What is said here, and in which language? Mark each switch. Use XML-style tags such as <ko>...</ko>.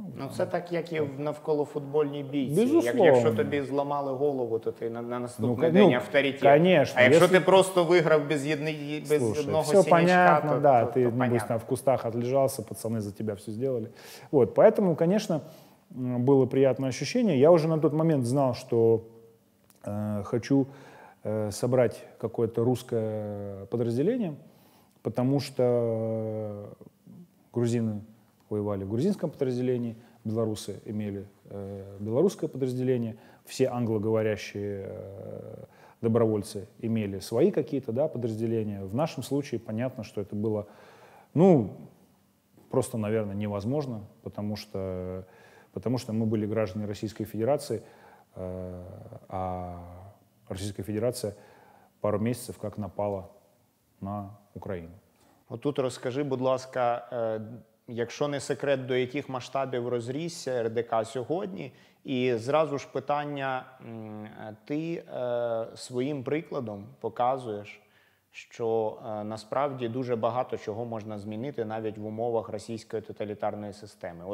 <uk>Ну це так, як і навколо футбольній бійці.</uk> <ru>Безусловно.</ru> <uk>Якщо тобі зламали голову, то ти на наступний день авторитет.</uk> <ru>Конечно,</ru> <uk>а якщо ти просто виграв без одного синячка,</uk> <ru>все понятно, да,</ru> <uk>ти</uk> <ru>небось там в кустах</ru> <uk>отлежався, пацани за тебе все зробили.</uk> <ru>Вот, поэтому, конечно,</ru> <uk>було приємне відчуття. Я вже на той момент знав, що хочу</uk> <ru>собрать какое-то русское подразделение, потому что грузины воевали в грузинском подразделении, белорусы имели белорусское подразделение, все англоговорящие добровольцы имели свои какие-то, да, подразделения. В нашем случае понятно, что это было, ну, просто, наверное, невозможно, потому что мы были граждане Российской Федерации,</ru> <uk>а Російська Федерація пару місяців як напала на Україну. Отут розкажи, будь ласка, якщо не секрет, до яких масштабів розрісся РДК сьогодні? І зразу ж питання, ти своїм прикладом показуєш, що насправді дуже багато чого можна змінити навіть в умовах російської тоталітарної системи.</uk>